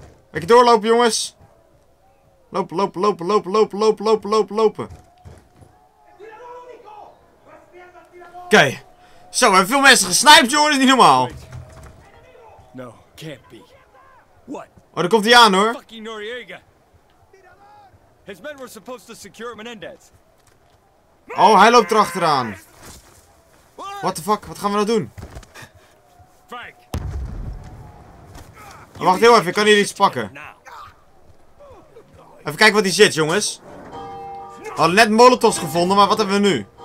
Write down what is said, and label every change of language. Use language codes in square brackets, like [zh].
[nl] Lekker doorlopen, jongens. Lopen, lopen, lopen, lopen, lopen, lopen, lopen, lopen, lopen. Oké. Zo, we hebben veel mensen gesniped, jongen, is niet normaal. [en] No, can't be. What? [nl] Oh, daar komt hij aan, hoor. [en] Fucking Noriega. His men were supposed to secure Menendez. [nl] Oh, hij loopt erachteraan. [en] What the fuck? [nl] Wat gaan we nou doen? Frank. Oh, wacht heel even, ik kan hier iets pakken. Even kijken wat hier zit, jongens. We hadden net molotovs gevonden, maar wat hebben we nu?